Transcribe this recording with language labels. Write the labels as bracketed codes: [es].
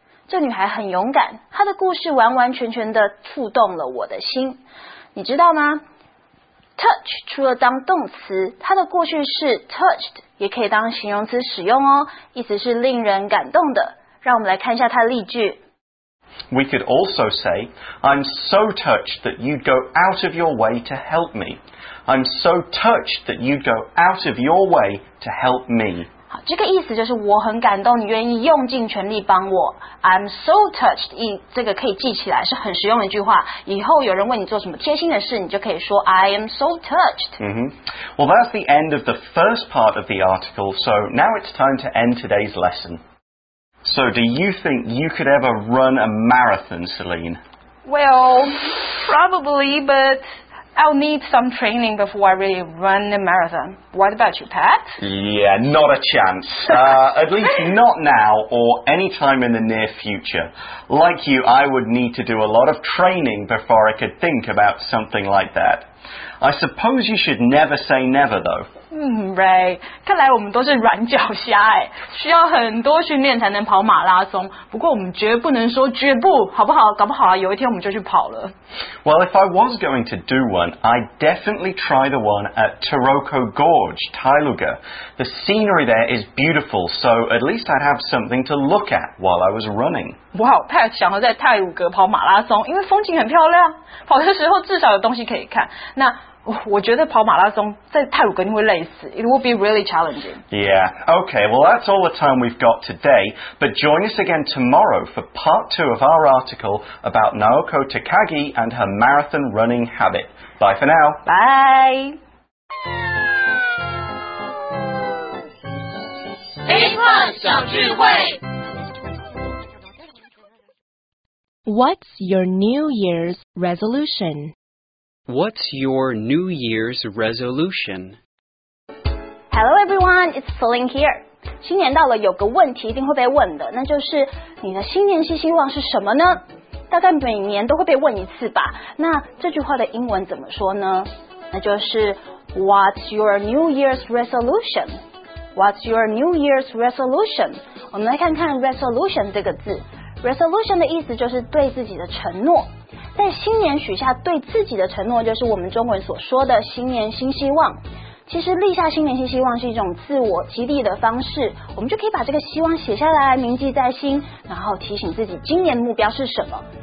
[zh] 这女孩很勇敢，她的故事完完全全的触动了我的心。你知道吗 ？Touch 除了当动词，它的过去式 touched 也可以当形容词使用哦，意思是令人感动的。让我们来看一下它的例句。 [en] We could also say, I'm so touched that you'd go out of your way to help me. I'm so touched that you'd go out of your way to help me. [zh] 好，这个意思就是我很感动，你愿意用尽全力帮我。 [en] I'm so touched, [zh] 这个可以记起来，是很实用的一句话。以后有人问你做什么贴心的事，你就可以说 [en] I am so touched. Well, that's the end of the first part of the article, so now it's time to end today's lesson. So, do you think you could ever run a marathon, Celine? Well, probably, but I'll need some training before I really run a marathon. What about you, Pat? Yeah, not a chance. at least not now or any time in the near future. Like you, I would need to do a lot of training before I could think about something like that. I suppose you should never say never, though. [zh] Ray, 看来我们都是软脚虾哎，需要很多训练才能跑马拉松。不过我们绝不能说绝不，好不好？搞不好、啊、有一天我们就去跑了。 [en] Well, if I was going to do one, I'd definitely try the one at Taroko Gorge, Tailuga. The scenery there is beautiful, so at least I'd have something to look at while I was running. [zh] Wow, Pat 想要在泰鲁格跑马拉松，因为风景很漂亮，跑的时候至少有东西可以看。那我觉得跑马拉松在泰鲁格定会累死。 [en] It will be really challenging. Yeah, okay, well that's all the time we've got today. But join us again tomorrow for part two of our article about Naoko Takagi and her marathon running habit. Bye for now. Bye. What's your New Year's resolution? What's your New Year's resolution? Hello everyone, it's Celine here. [zh] 新年到了，有个问题一定会被问的，那就是你的新年新希望是什么呢？大概每年都会被问一次吧。那这句话的英文怎么说呢？那就是 [en] What's your New Year's resolution? What's your New Year's resolution? [zh] 我们来看看 resolution 这个字。resolution 的意思就是对自己的承诺。在新年许下对自己的承诺，就是我们中文所说的新年新希望。其实立下新年新希望是一种自我激励的方式，我们就可以把这个希望写下来，铭记在心，然后提醒自己今年的目标是什么。